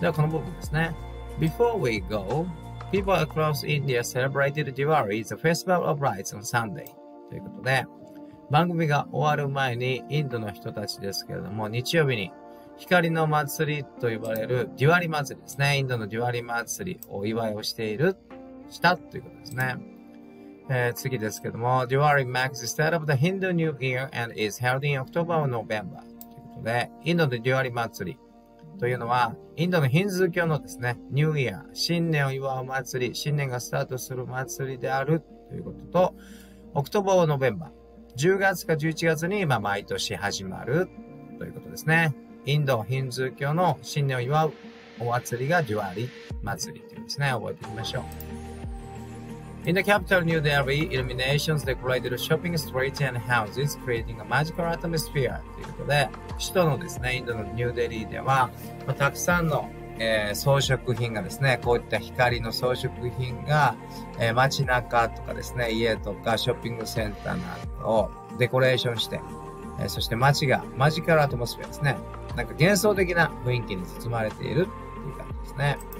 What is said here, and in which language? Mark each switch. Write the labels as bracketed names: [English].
[Japanese] ではこの部分ですね、 [English] Before we go, people across India celebrated Diwali, the festival of lights on Sunday. [Japanese] ということで、番組が終わる前にインドの人たちですけれども、日曜日に光の祭りと呼ばれるディワリ祭りですね。インドのディワリ祭りをお祝いをしている、したということですね。次ですけれども、 [English] Diwali marks the start of the Hindu New Year and is held in October or November. [Japanese] ということで、インドのディワリ祭り。というのはインドのヒンズー教のですね、ニューイヤー、新年を祝う祭り、新年がスタートする祭りであるということと、オクトバー・ノベンバー、10月か11月に今毎年始まるということですね。インドヒンズー教の新年を祝うお祭りがデュアリ祭りというんですね。覚えていきましょう。 [English] In the capital New Delhi, illuminations decorated shopping streets and houses, creating a magical atmosphere. [Japanese] ということで、首都のですね、インドのニューデリーでは、まあ、たくさんの、装飾品がですね、こういった光の装飾品が、街中とかですね、家とかショッピングセンターなどをデコレーションして、そして街がマジカルアトモスフェアですね、なんか幻想的な雰囲気に包まれているっていう感じですね。